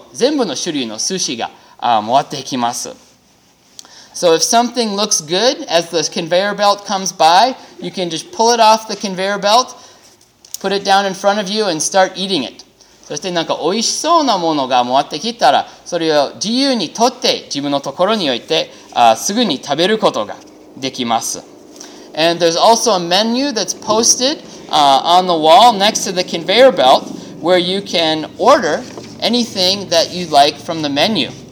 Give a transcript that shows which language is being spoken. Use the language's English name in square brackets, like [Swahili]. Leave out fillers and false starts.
[Japanese] そしてその回転の皿の上に2つほどの全部の種類のすしが回っていきます。 [English] So if something looks good as the conveyor belt comes by, you can just pull it off the conveyor belt, put it down in front of you, and start eating it. [Japanese] そしてなんか美味しそうなものが回ってきたら、それを自由に取って自分のところに置いて、すぐに食べることができます。 [English] And there's also a menu that's posted on the wall next to the conveyor belt where you can order anything that you'd like from the menu.